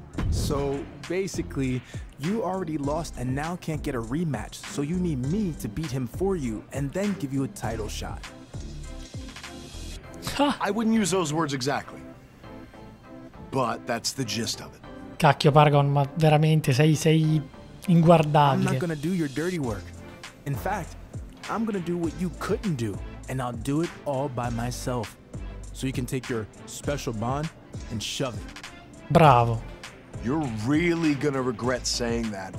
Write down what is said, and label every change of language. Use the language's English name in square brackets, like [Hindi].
[English] So, basically, you already lost and now can't get a rematch, so you need me to beat him for you and then give you a title shot. I wouldn't use those words exactly. But that's the gist of it. [Italian] Cacchio, Paragon, ma veramente sei inguardabile. [English] I'm not gonna do your dirty work. In fact, I'm gonna do what you couldn't do, and I'll do it all by myself. So you can take your special bond and shove it. [Italian] Bravo. [English] You're really gonna regret saying that.